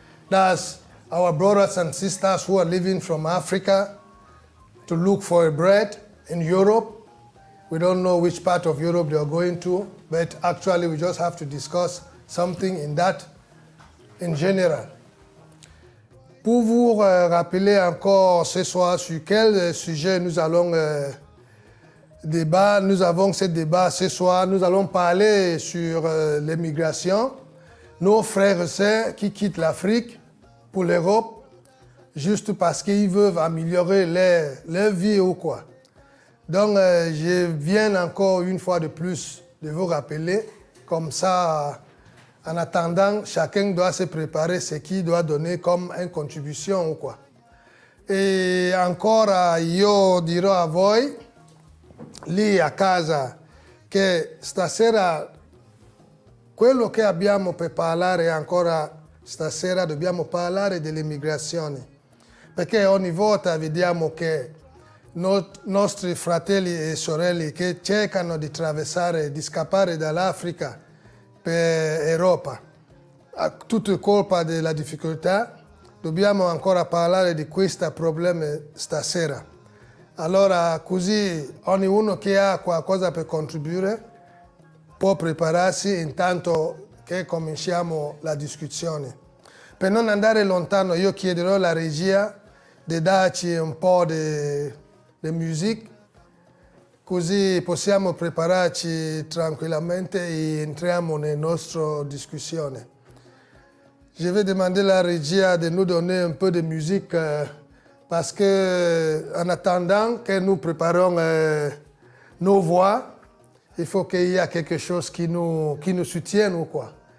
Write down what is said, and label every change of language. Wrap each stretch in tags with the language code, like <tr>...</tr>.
<en>That's our brothers and sisters who are leaving from Africa to look for a bread in Europe. We don't know which part of Europe they are going to, but actually we just have to discuss something in that in general.</en> <fr>Pour vous rappeler encore ce soir sur quel sujet nous allons débattre, nous avons ce débat ce soir, nous allons parler sur l'immigration, nos frères et sœurs qui quittent l'Afrique pour l'Europe juste parce qu'ils veulent améliorer leur vie ou quoi. Donc je viens encore une fois de plus de vous rappeler, comme ça. En attendant, chacun doit se préparer ce qu'il doit donner comme une contribution ou quoi.</fr> <it>Et encore, yo dirò a voi, lì a casa, che stasera, quello che abbiamo per parlare ancora stasera, dobbiamo parlare dell'immigrazione. Perché ogni volta vediamo che nostri fratelli e sorelle che cercano di traversare, di scappare dall'Africa, Europa, a tutta colpa della difficoltà, dobbiamo ancora parlare di questo problema stasera. Allora, così ognuno che ha qualcosa per contribuire può prepararsi intanto che cominciamo la discussione. Per non andare lontano, io chiederò alla regia di darci un po' di musica. Così possiamo prepararci tranquillamente e entriamo nella nostra discussione.</it> <fr>Je vais demander la regia de nous donner un peu de musique parce que en attendant que nous préparons nos voix, il faut qu'il y ait quelque chose qui nous soutienne ou quoi.</fr>